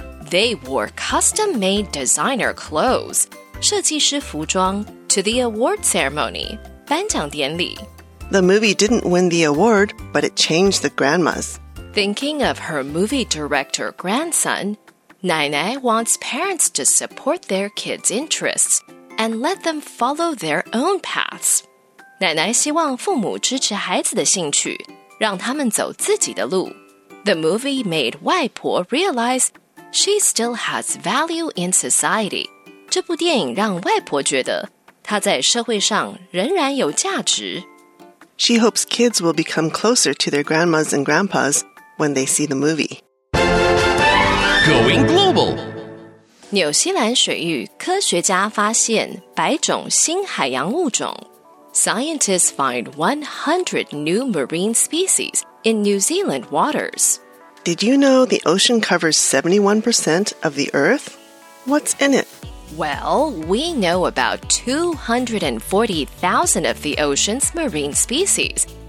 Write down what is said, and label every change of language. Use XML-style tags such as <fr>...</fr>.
<en>They wore custom-made designer clothes,</en> <zh>设计师服装,</zh> <en>to the award ceremony,</en> <zh>颁奖典礼.</zh> <en>The movie didn't win the award, but it changed the grandmas. Thinking of her movie director grandson,奶奶 wants parents to support their kids' interests and let them follow their own paths.</en> <zh>奶奶希望父母支持孩子的兴趣，让他们走自己的路。</zh> <en>The movie made 外婆 realize she still has value in society.</en> <zh>这部电影让外婆觉得她在社会上仍然有价值。</zh> <en>She hopes kids will become closer to their grandmas and grandpas when they see the movie. Going global.</en> <zh>纽西兰水域科学家发现百种新海洋物种。</zh> <en>Scientists find 100 new marine species in New Zealand waters. Did you know the ocean covers 71% of the earth? What's in it? Well, we know about 240,000 of the ocean's marine species.</en>